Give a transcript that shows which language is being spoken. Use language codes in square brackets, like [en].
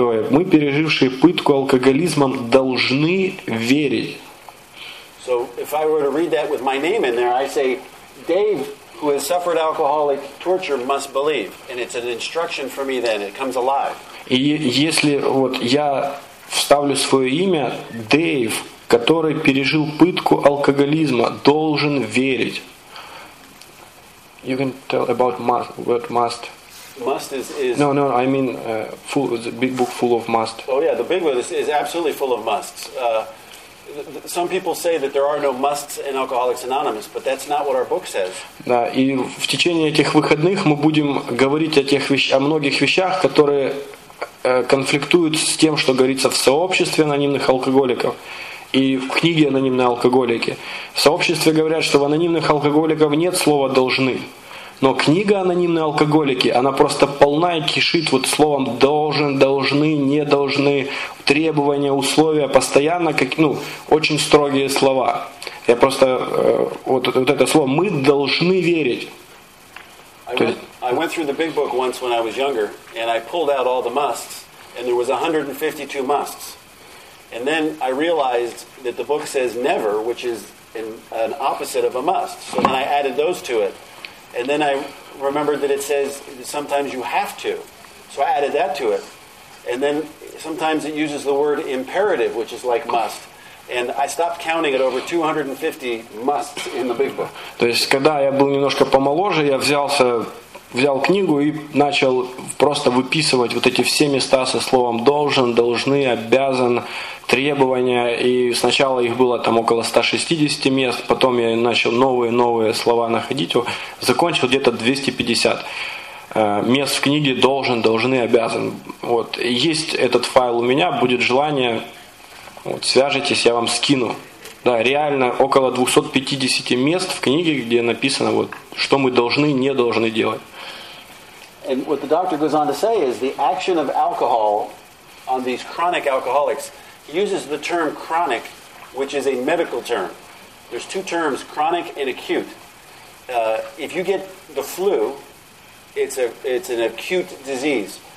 [ru] Мы, пережившие пытку алкоголизмом, должны верить. [en] So if I were to read that with my name in there, I say, Dave, who has suffered alcoholic torture, must believe. And it's an instruction for me then. It comes alive. [ru] И если вот я вставлю свое имя, Дэйв, который пережил пытку алкоголизма, должен верить. [en] You can tell about must. What must? Must is... No, I mean full, the big book full of must. Oh yeah, the big book is absolutely full of musts. Some people say that there are no musts in Alcoholics Anonymous, but that's not what our book says. [ru] Да, и в течение этих выходных мы будем говорить о многих вещах, которые конфликтуют с тем, что говорится в сообществе анонимных алкоголиков и в книге «Анонимные алкоголики». В сообществе говорят, что в анонимных алкоголиках нет слова «должны». Но книга «Анонимные алкоголики», она просто полна и кишит вот словом «должен», «должны», «не должны», требования, условия, постоянно, очень строгие слова. Я просто, вот это слово «мы должны верить». [en] I went through the big book once when I was younger, and I pulled out all the musts, and there was 152 musts. And then I realized that the book says never, which is an opposite of a must. So then I added those to it. And then I remembered that it says sometimes you have to. So I added that to it. And then sometimes it uses the word imperative, which is like must. And I stopped counting at over 250 musts in the Big Book. [ru] То есть, когда я был немножко помоложе, я взял книгу и начал просто выписывать вот эти все места со словом должен, должны, обязан, требования. И сначала их было там около 160 мест, потом я начал новые слова находить. Закончил где-то 250 мест в книге должен, должны, обязан. Вот. Есть этот файл у меня, будет желание, вот, свяжитесь, я вам скину. Да, реально около 250 мест в книге, где написано, вот, что мы должны, не должны делать. [en] And what the doctor goes on to say is the action of alcohol on these chronic alcoholics, he uses the term chronic, which is a medical term. There's two terms, chronic and acute. If you get the flu, it's an acute disease.